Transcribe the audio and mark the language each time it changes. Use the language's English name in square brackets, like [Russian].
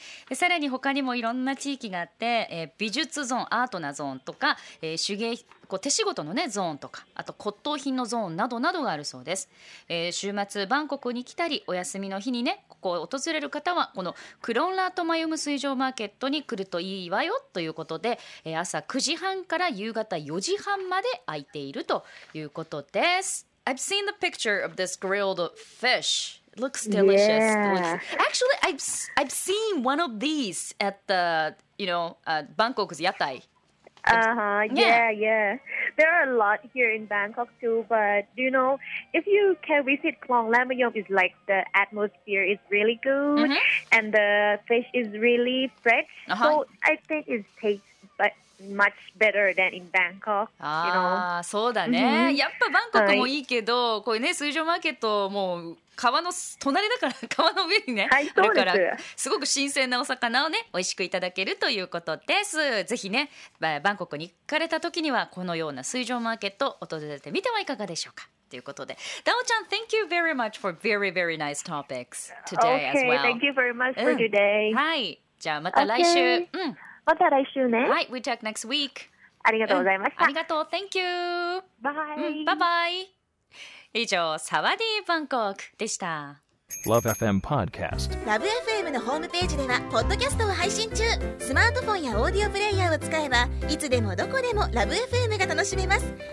[Japanese] でさらに他にもいろんな地域があって、美術ゾーン、アートなゾーンとか、手芸、こう手仕事の、ね、ゾーンとか、あと骨董品のゾーンなどなどがあるそうです。週末バンコクに来たりお休みの日にねここを訪れる方はこのクロンラートマヨム水上マーケットに来るといいわよということで、朝9時半から夕方4時半まで開いているということです。 [English] I've seen the picture of this grilled fish. Looks delicious. Yeah. Actually, I've seen one of these at the, you know, Bangkok's yatai. Yeah. There are a lot here in Bangkok too, but you know, if you can visit Klong Lat Myong, it's like the atmosphere is really good, and the fish is really fresh. So I think it tastes butMuch better than in Bangkok. [Japanese] そうだね。やっぱバンコクもいいけど、こういうね水上マーケットもう川の隣だから、川の上にね、あるからすごく新鮮なお魚をね美味しくいただけるということです。ぜひねバンコクに行かれた時にはこのような水上マーケットを訪れてみてはいかがでしょうか。ということで、 [English] ダオちゃん、thank you very much for very very nice topics today as well. Okay, thank you very much for today. [Japanese] はい、じゃあまた来週。 Okay. また来週ね。 [English] はい、we talk next week. [Japanese] ありがとうございました。うん、ありがとう、 [English] thank you. Bye. Bye bye. [Japanese] 以上、サワディーバンコクでした。 [English] Love FM Podcast。 [Japanese] Love FM のホームページではポッドキャストを配信中。スマートフォンやオーディオプレイヤーを使えば、いつでもどこでもラブ FM が楽しめます。